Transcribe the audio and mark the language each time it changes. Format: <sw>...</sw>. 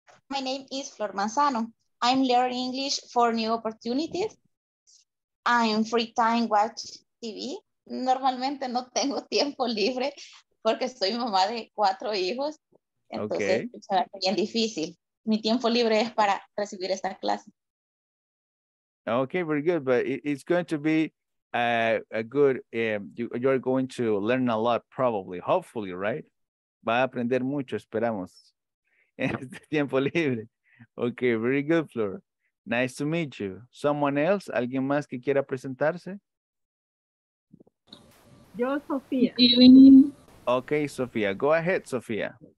<en>My name is Flor Manzano. I'm learning English for new opportunities. I'm free time watch TV.</en> <es>Normalmente no tengo tiempo libre porque soy mamá de 4 hijos. Entonces, okay, será bien difícil. Mi tiempo libre es para recibir esta clase.</es> <en>Okay, very good. But it's going to be a good, you're going to learn a lot, probably, hopefully, right?</en> <es>Va a aprender mucho, esperamos, en este tiempo libre.</es> <en>Okay, very good, Flor. Nice to meet you. Someone else?</en> <es>¿Alguien más que quiera presentarse? Yo, Sofía.</es> <en>Okay, Sofía. Go ahead, Sofía.</en>